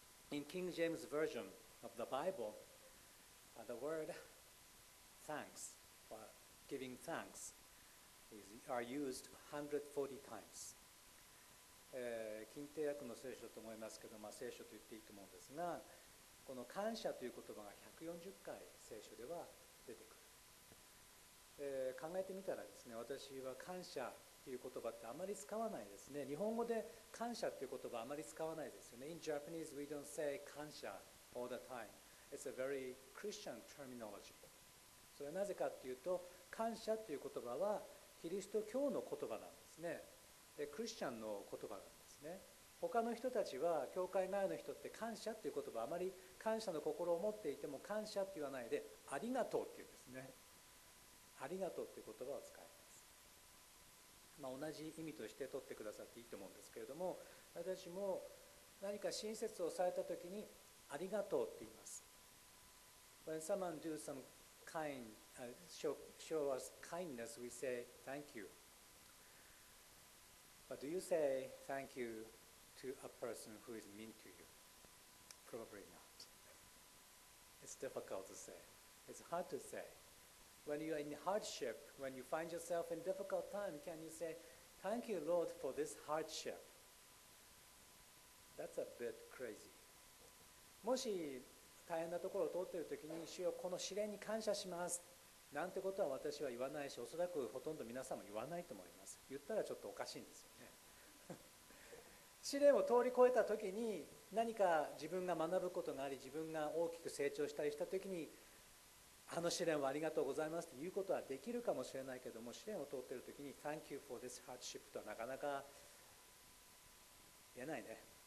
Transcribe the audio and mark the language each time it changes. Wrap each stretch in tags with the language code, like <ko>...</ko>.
<en>In King James Version of the Bible, the word thanks or giving thanks are used 140 times.</en> <ja>新訂訳の聖書と思いますけど、まあ、聖書と言っていいと思うんですが、この感謝という言葉が140回聖書では出てくる。考えてみたらですね、私は感謝という言葉ってあまり使わないですね。日本語で感謝という言葉あまり使わないですよね。</ja> <en>In Japanese we don't say 感謝 all the time. It's a very Christian terminology.</en> <ja>それはなぜかっていうと、感謝という言葉はキリスト教の言葉なんですね。で、クリスチャンの言葉なんですね。他の人たちは、教会内の人って感謝という言葉、あまり感謝の心を持っていても感謝って言わないで、ありがとうって言うんですね。ありがとうっていう言葉を使います。まあ、同じ意味として取ってくださっていいと思うんですけれども、私も何か親切をされたときに、ありがとうって言います。</ja> <en>When someone do some kind,show us kindness, we say thank you. But do you say thank you to a person who is mean to you? Probably not. It's difficult to say. It's hard to say. When you are in hardship, when you find yourself in difficult time, can you say, thank you, Lord, for this hardship? That's a bit crazy.</en> <ja>もし大変なところを通っているときに、主よ、この試練に感謝しますなんてことは私は言わないし、おそらくほとんど皆さんも言わないと思います。言ったらちょっとおかしいんですよね。試練を通り越えたときに、何か自分が学ぶことがあり、自分が大きく成長したりしたときに、あの試練はありがとうございますということはできるかもしれないけども、試練を通っているときに、</ja> <en>Thank you for this hardship</en> <ja>とはなかなか言えないね。</ja>